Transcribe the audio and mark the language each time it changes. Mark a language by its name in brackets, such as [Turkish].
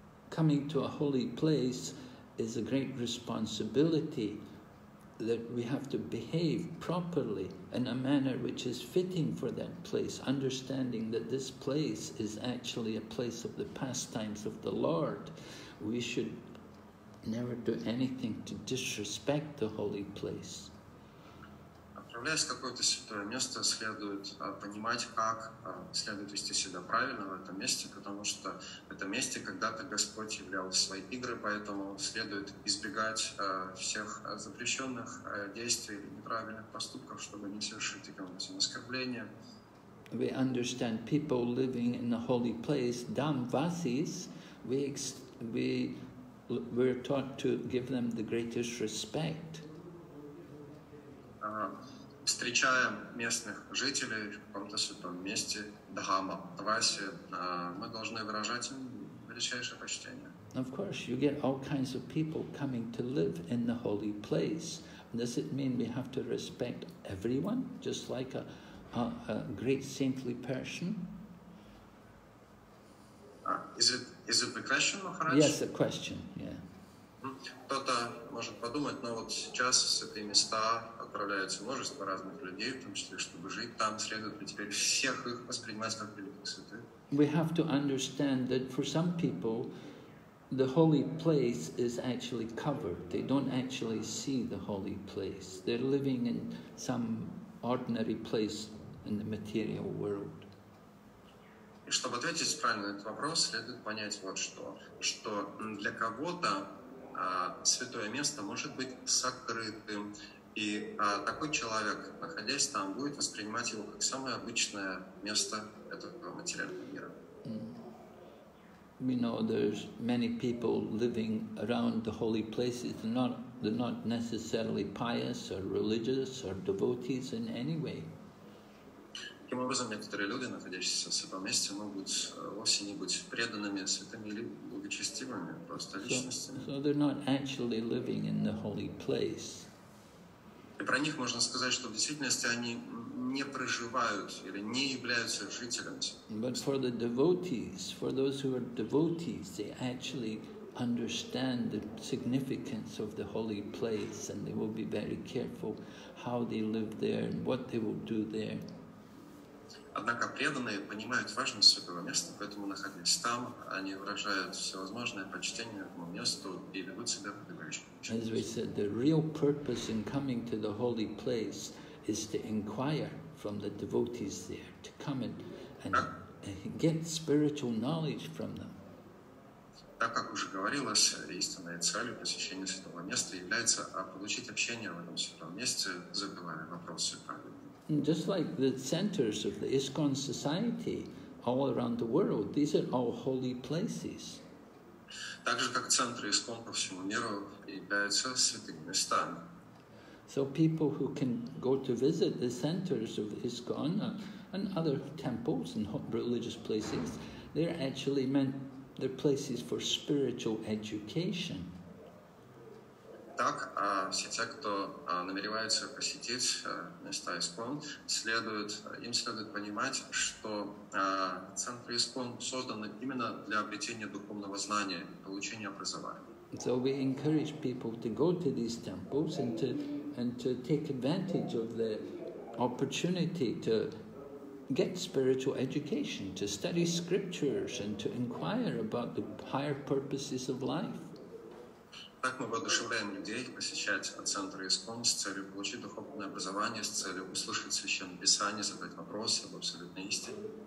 [English] Coming to a holy place is a great responsibility, that we have to behave properly in a manner which is fitting for that place, understanding that this place is actually a place of the pastimes of the Lord. We should never do anything to disrespect the holy place. [Russian] Отправляясь в какое-то святое место, следует понимать, как следует вести себя правильно в этом месте, потому что в этом месте когда-то Господь являл свои игры, поэтому следует избегать всех запрещенных действий, неправильных поступков, чтобы не совершить таким образом оскорбления. [English] we understand people living in a holy place, Damvasis, we're taught to give them the greatest respect. [Russian] Встречая местных жителей в каком-то святом месте, Дхама, Васи, мы должны выражать им величайшее почтение. [English] Of course, you get all kinds of people coming to live in the holy place. Does it mean we have to respect everyone, just like a great saintly person? Is it the question, Maharaj? Yes, the question, yeah. [Russian] Кто-то может подумать, но вот сейчас в святые места отправляются множество разных людей, в том числе, чтобы жить там, следует ли теперь всех их воспринимать как великих святых? [English] We have to understand that for some people, the holy place is actually covered. They don't actually see the holy place. They're living in some ordinary place in the material world. [Russian] И чтобы ответить правильно на этот вопрос, следует понять вот что. Что для кого-то святое место может быть сокрытым. И такой человек, находясь там, будет воспринимать его как самое обычное место этого материального мира. [English] We know there's many people living around the holy places. They're not necessarily pious or religious or devotees in any way. [Russian] Таким образом, некоторые люди, находящиеся в святом месте, могут вовсе не быть преданными, святыми или благочестивыми, просто личностями. [English] So they're not actually living in the holy place. [Russian] И про них можно сказать, что в действительности они не проживают или не являются жителями. [English] But for the devotees, for those who are devotees, they actually understand the significance of the holy place, and they will be very careful how they live there and what they will do there. [Russian] Однако преданные понимают важность святого места, поэтому находясь там, они выражают всевозможное почтение этому месту и ведут себя подобающим. [English] As we said, the real purpose in coming to the holy place is to inquire from the devotees there, to come and get spiritual knowledge from them. [Russian] Так как уже говорилось, истинной целью посещения святого места является получить общение в этом святом месте, задавая вопросы. [English] Just like the centers of the ISKCON society all around the world, these are all holy places. [Russian] Так же, как центры ISKCON по всему миру являются святыми местами. [English] So people who can go to visit the centers of ISKCON and other temples and religious places, they're actually meant, they're places for spiritual education. [Russian] Так, все те, кто намеревается посетить места ISKCON, им следует понимать, что центры ISKCON созданы именно для обретения духовного знания, получения образования. [English] So we encourage people to go to these temples and to take advantage of the opportunity to get spiritual education, to study scriptures and to inquire about the higher purposes of life. [Russian] Так мы воодушевляем людей посещать центр ИСКОН с целью получить духовное образование, с целью услышать священное писание, задать вопросы об абсолютной истине.